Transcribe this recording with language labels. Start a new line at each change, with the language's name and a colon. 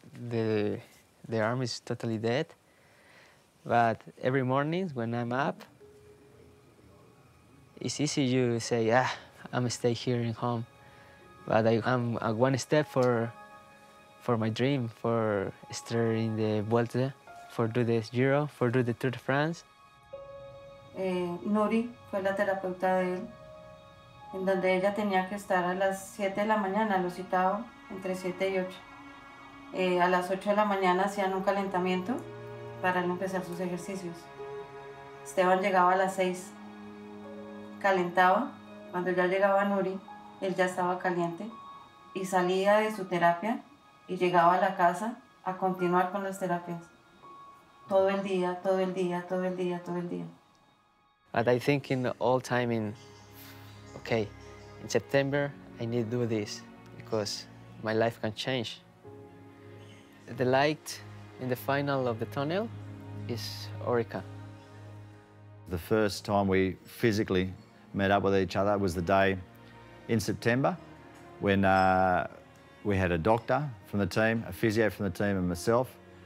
English: The arm is totally dead, but every morning when I'm up, it's easy to say, yeah, I'm going to stay here in home. But I'm one step for my dream, for starting the Vuelta, for do the Giro, for do the Tour de France.
Spanish: Nuri fue la terapeuta de él, en donde ella tenía que estar a las 7 de la mañana, lo citaba entre 7 y 8. A las 8 de la mañana hacían un calentamiento para él empezar sus ejercicios. Esteban llegaba a las 6. Calentaba, cuando ya llegaba Nuri, él ya estaba caliente y salía de su terapia y llegaba a la casa a continuar con las terapias. Todo el día, todo el día, todo el día, todo el día.
English: But I think in all time in, okay, in September, I need to do this because my life can change. The light in the final of the tunnel is Orica. The first time we physically met up with each other was the day in September when we had a doctor from the team, a physio from the team and myself.